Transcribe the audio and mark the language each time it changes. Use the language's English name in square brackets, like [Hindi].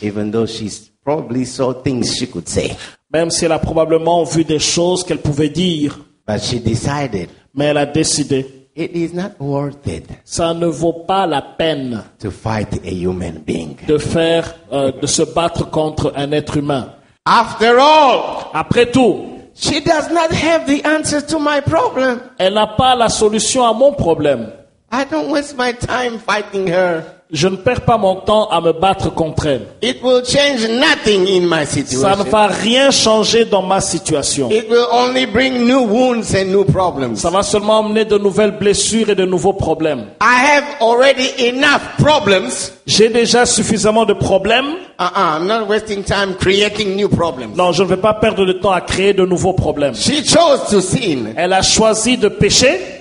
[English] Even though she probably saw things she could say. [French] Même si elle a probablement vu des choses qu'elle pouvait dire. [English] But she decided. [French] Mais elle a décidé. [English] It is not worth it. [French] Ça ne vaut pas la peine. [English] To fight a human being. [French] De se battre contre un être humain. [English] After all. [French] Après tout. [English] She does not have the answer to my problem. [French] Elle n'a pas la solution à mon problème. [English] I don't waste my time fighting her. [French] Je ne perds pas mon temps à me battre contre elle. [English] It will change nothing in my situation. [French] Ça ne va rien changer dans ma situation. [English] It will only bring new wounds and new problems. [French] Ça va seulement amener de nouvelles blessures et de nouveaux problèmes. [English] I have already enough problems. [French] J'ai déjà suffisamment de problèmes. [English] I'm not wasting time creating new problems. [French] Non, je ne vais pas perdre de temps à créer de nouveaux problèmes. [English] She chose to sin. [French] Elle a choisi de pécher.